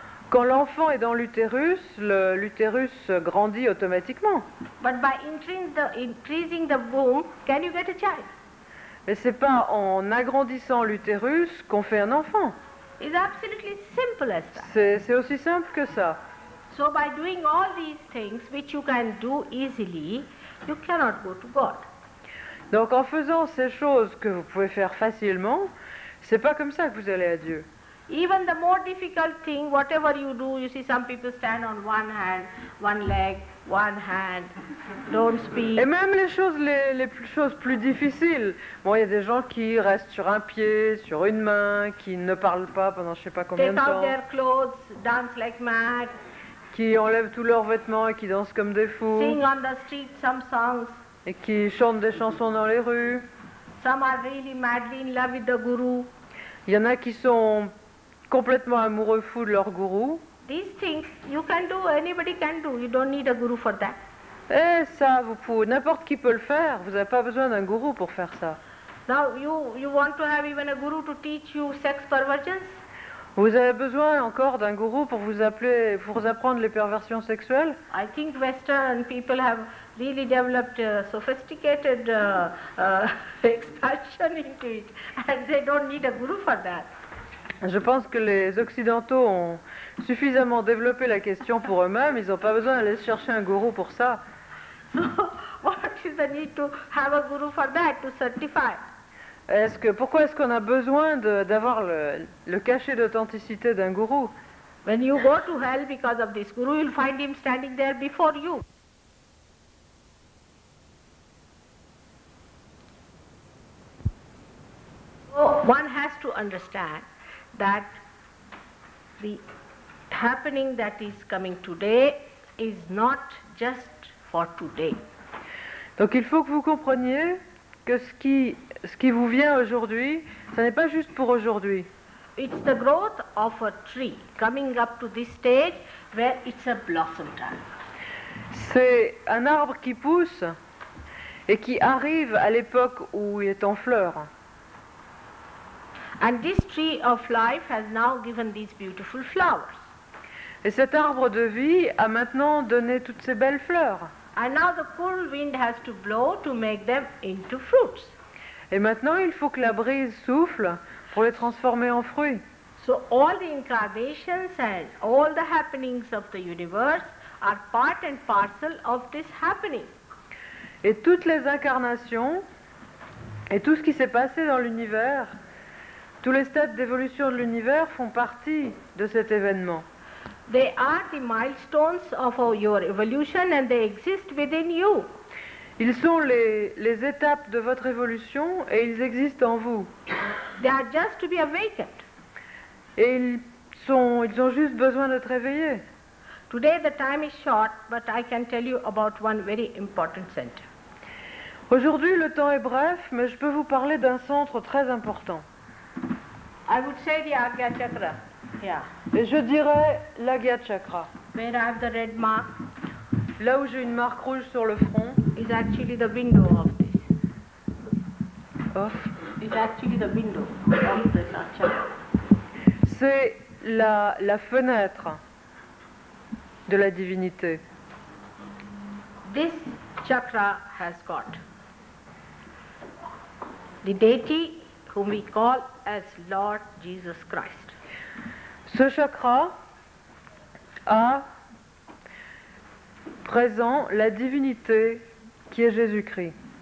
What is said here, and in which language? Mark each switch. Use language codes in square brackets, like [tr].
[fr] Quand l'enfant est dans l'utérus, l'utérus grandit automatiquement. [en] But by increasing the womb, can you get a child? [fr] Mais c'est pas en agrandissant l'utérus qu'on fait un enfant. [en] It's absolutely simple as that. [fr] C'est aussi simple que ça. [en] So by doing all these things which you can do easily, you cannot go to God. [fr] Donc en faisant ces choses que vous pouvez faire facilement, c'est pas comme ça que vous allez à Dieu. [en] Even the more difficult thing, whatever you do, you see some people stand on one hand, one leg, one hand, don't speak. [fr] Et même les choses plus difficiles, bon, il y a des gens qui restent sur un pied, sur une main, qui ne parlent pas pendant je sais pas combien de temps. [en] Take out their clothes, dance like mad. [fr] Qui enlèvent tous leurs vêtements et qui dansent comme des fous. [en] Sing on the street some songs. [fr] Et qui chantent des chansons dans les rues. [en] Some are really madly in love with the guru. [fr] Il y en a qui sont complètement amoureux fous de leur gourou. [en] These things you can do, anybody can do. You don't need a guru for that. [fr] Et ça, vous pouvez, n'importe qui peut le faire. Vous n'avez pas besoin d'un gourou pour faire ça. [en] Now you want to have even a guru to teach you sex perversions? [fr] Vous avez besoin encore d'un gourou pour vous appeler, pour vous apprendre les perversions sexuelles? [en] I think Western people have really developed a sophisticated expansion into it, and they don't need a guru for that. [fr] Je pense que les Occidentaux ont suffisamment développé la question pour eux-mêmes. Ils n'ont pas besoin d'aller chercher un gourou pour ça. [en] So, what is the need to have a guru for that to certify? [fr] Pourquoi est-ce qu'on a besoin d'avoir le cachet d'authenticité d'un gourou? [en] When you go to hell because of this guru, you'll find him standing there before you. So, one has to understand that the happening that is coming today is not just for today. [fr] Donc il faut que vous compreniez que ce qui vous vient aujourd'hui, ça n'est pas juste pour aujourd'hui. [en] It's the growth of a tree coming up to this stage where it's a blossom time. [fr] C'est un arbre qui pousse et qui arrive à l'époque où il est en fleur. [en] And this tree of life has now given these beautiful flowers. [fr] Et cet arbre de vie a maintenant donné toutes ces belles fleurs. [en] And now the cool wind has to blow to make them into fruits. [fr] Et maintenant il faut que la brise souffle pour les transformer en fruits. [en] So all the incarnations and all the happenings of the universe are part and parcel of this happening. [fr] Et toutes les incarnations et tout ce qui s'est passé dans l'univers, tous les stades d'évolution de l'univers font partie de cet événement. [en] They are the milestones of your evolution and they exist within you. [fr] Ils sont les étapes de votre évolution et ils existent en vous. [en] They are just to be awakened. [fr] Et ils ont juste besoin d'être éveillés. [en] Today the time is short, but I can tell you about one very important center. [fr] Aujourd'hui le temps est bref, mais je peux vous parler d'un centre très important. [en] I would say the Agya Chakra. Yeah. [fr] Et je dirais l'Agya Chakra. [en] Where I have the red mark. [fr] Là où j'ai une marque rouge sur le front. [en] Is actually the window of this. Off. Is actually the window of the chakra. [fr] C'est la fenêtre de la divinité. [en] This chakra has got the deity whom we call as Lord Jesus Christ. [fr] Ce chakra a présent la divinité qui est Jésus-Christ.